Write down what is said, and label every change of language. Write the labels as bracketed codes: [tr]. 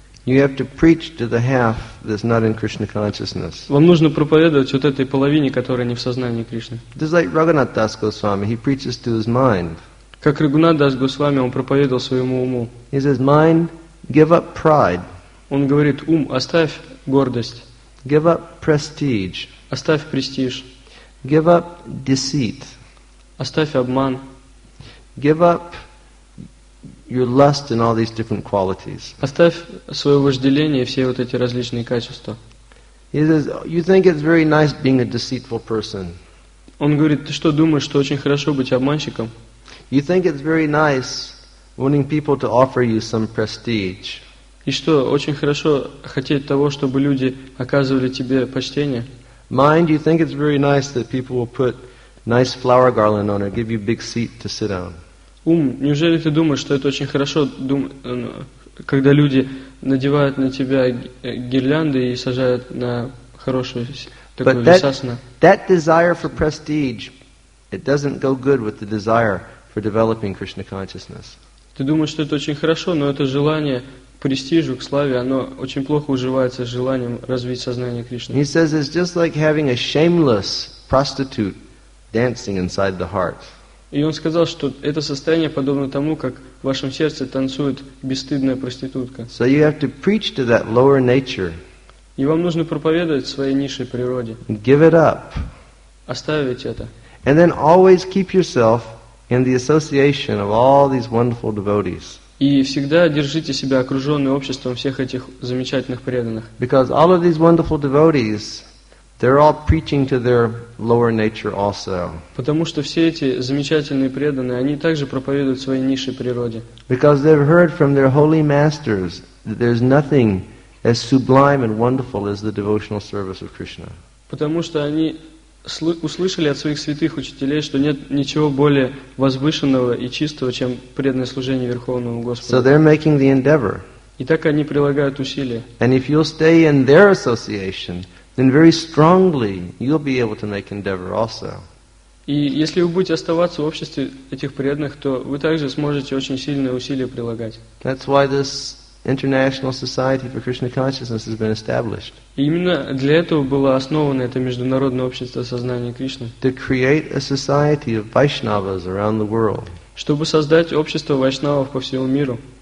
[en] You have to preach to the half that's not in Krishna consciousness. [ru] Вам нужно проповедовать вот этой половине, которая не в сознании Кришны. [en] Just like Raghunath Das Goswami, he preaches to his mind. [ru] Как Рагхунат Дас Госвами, он проповедовал своему уму. [en] He says, "Mind, give up pride." [ru] Он говорит: ум, оставь гордость. [en] Give up prestige. [ru] Оставь престиж. [en] Give up deceit. [ru] Оставь обман. [en] Give up your lust and all these different qualities. [ru] Оставь свое вожделение и все вот эти различные качества. [en] He says, "You think it's very nice being a deceitful person." [ru] Он говорит: ты что думаешь, что очень хорошо быть обманщиком? [en] You think it's very nice wanting people to offer you some prestige. [ru] И что, очень хорошо хотеть того, чтобы люди оказывали тебе почтение? [en] Mind, you think it's very nice that people will put nice flower garland on or give you big seat to sit on. [ru] Ум, неужели ты думаешь, что это очень хорошо, когда люди надевают на тебя гирлянды и сажают на хорошую такую висасану? [en] That desire for prestige, it doesn't go good with the desire developing Krishna consciousness. [ru] Ты думаешь, что это очень хорошо, но это желание престижу, к славе, оно очень плохо уживается с желанием развить сознание Кришны. [en] He says it's just like having a shameless prostitute dancing inside the heart. [ru] И он сказал, что это состояние подобно тому, как в вашем сердце танцует бесстыдная проститутка. [en] So you have to preach to that lower nature. [ru] И вам нужно проповедовать своей низшей природе. [en] Give it up. [ru] Оставить это. [en] And then always keep yourself in the association of all these wonderful devotees. [ru] И всегда держите себя окруженным обществом всех этих замечательных преданных. [en] Because all of these wonderful devotees, they're all preaching to their lower nature also. [ru] Потому что все эти замечательные преданные, они также проповедуют своей низшей природе. [en] Because they've heard from their holy masters that there's nothing as sublime and wonderful as the devotional service of Krishna. [ru] Потому что они услышали от своих святых учителей, что нет ничего более возвышенного и чистого, чем преданное служение Верховному Господу. [en] So they're making the endeavor. [ru] И так они прилагают усилия. [en] And if you'll stay in their association, then very strongly you'll be able to make endeavor also. [ru] И если вы будете оставаться в обществе этих преданных, то вы также сможете очень сильные усилия прилагать. [en] That's why this International Society for Krishna Consciousness has been established. [ru] Именно для этого было основано это международное общество сознания Кришны. [en] To create a society of Vaishnavas around the world. [ru] Чтобы создать общество вайшнавов по всему миру.